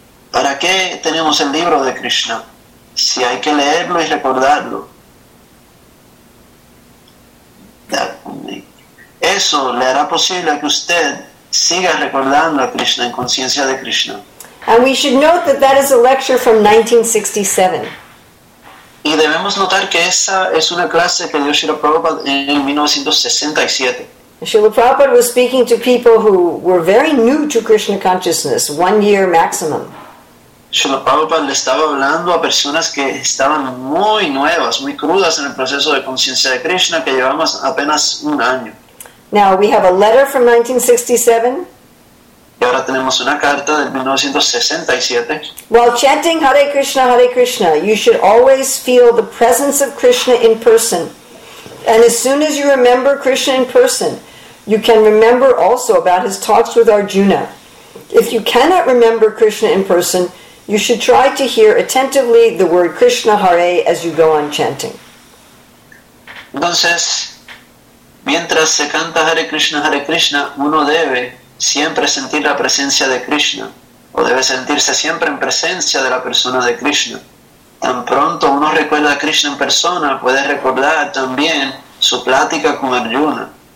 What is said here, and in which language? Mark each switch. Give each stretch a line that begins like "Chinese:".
Spanish: ¿Para qué tenemos el libro de Krishna? Si hay que leerlo y recordarlo. Eso le hará posible que usted siga recordando a Krishna en conciencia de Krishna.
English: And we should note that that is a lecture from 1967.
Spanish: Y debemos notar que esa es una clase que dio Srila Prabhupada en 1967.
English: Srila Prabhupada was speaking to people who were very new to Krishna consciousness, 1 year maximum.
Spanish: Srila Prabhupada le estaba hablando a personas que estaban muy nuevas, muy crudas en el proceso de conciencia de Krishna, que llevamos apenas un año.
English: Now we have a letter from 1967.
Spanish: Y ahora tenemos una carta del 1967.
English: While chanting Hare Krishna, Hare Krishna, you should always feel the presence of Krishna in person. And as soon as you remember Krishna in person, you can remember also about his talks with Arjuna. If you cannot remember Krishna in person, you should try to hear attentively the word Krishna Hare as you go on chanting.
Spanish: Entonces, mientras se canta Hare Krishna, uno debe siempre sentir la presencia de Krishna, o debe sentirse siempre en presencia de la persona de Krishna. tan pronto uno recuerda a Krishna en persona, puede recordar también su plática con Arjuna.